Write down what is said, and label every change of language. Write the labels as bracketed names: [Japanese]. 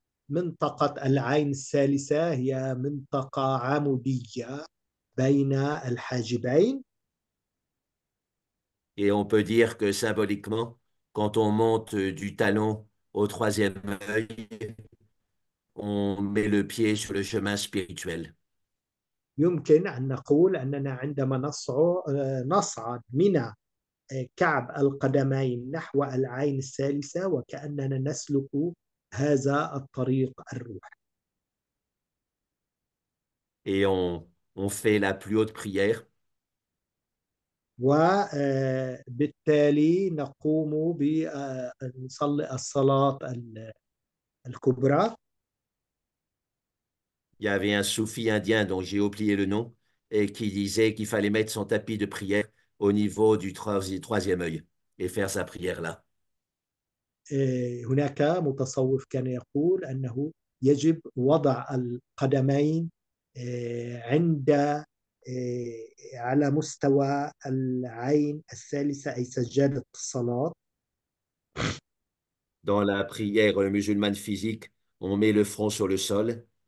[Arabic] ومنطقة العين الثالثة هي منطقة عمودية بين الحاجبين. [French] Et on peut dire que symboliquement, quand on monte du talon au troisième œil, on met le pied sur le chemin spirituel. [Arabic] يمكن أن نقول أننا عندما نصعد من كعب القدمين نحو العين الثالثة وكأننا نسلك هذا الطريق الروح. [French] Et on fait la plus haute prière. [Arabic] وبالتالي نقوم بنصلي الصلاة الكبرى. [French] Il y avait un soufi indien dont j'ai oublié le nom et qui disait qu'il fallait mettre son tapis de prière au niveau du troisième œil et faire sa prière là. [Arabic] هناك متصوف كان يقول أنه يجب وضع القدمين عند على مستوى العين الثالثة أي سجادة الصلاة. [French] Dans la prière musulmane physique, on met le front sur le sol.